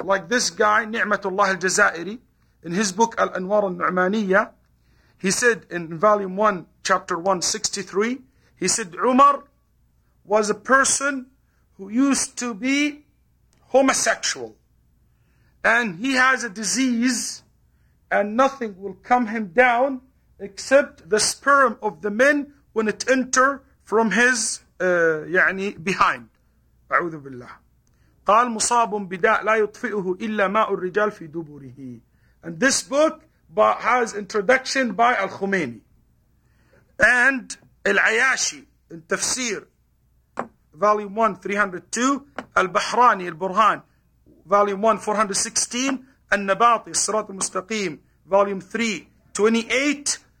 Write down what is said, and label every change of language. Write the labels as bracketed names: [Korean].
[English] Like this guy, Ni'matullah al-Jazairi, in his book Al-Anwar al-Nu'maniyya, he said in volume 1, chapter 163, he said Umar was a person who used to be homosexual. And he has a disease and nothing will come him down except the sperm of the men when it enter from his يعني behind. [Arabic] أعوذ بالله. قال مصاب بداء لا يطفئه إلا ماء الرجال في دبره. [English] And this book has introduction by Al-Khumeini. And Al-Ayashi in Tafsir, volume 1, 302. Al-Bahrani, Al-Burhan, volume 1, 416. Al-Nabati, Sirat al-Mustaqim, volume 3, 28.